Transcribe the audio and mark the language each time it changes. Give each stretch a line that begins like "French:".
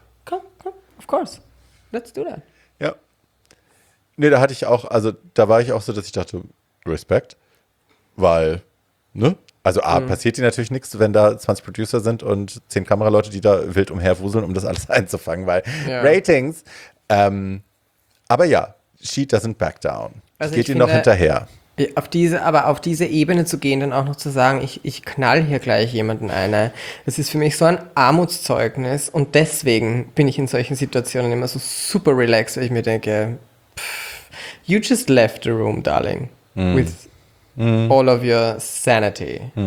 English: Come, of course. Let's do that.
German: Ja. Nee, da hatte ich auch, also da war ich auch so, dass ich dachte, Respekt. Weil, ne? Also A, passiert dir natürlich nichts, wenn da 20 Producer sind und 10 Kameraleute, die da wild umherwuseln, um das alles einzufangen, weil Ratings.
English: Aber ja, she doesn't back down.
German: Also geht ihr noch hinterher. Auf diese Ebene zu gehen, dann auch noch zu sagen, ich knall hier gleich jemanden eine, das ist für mich so ein Armutszeugnis und deswegen bin ich in solchen Situationen immer so super relaxed, weil ich mir denke, you just left the room, darling, with all of your sanity.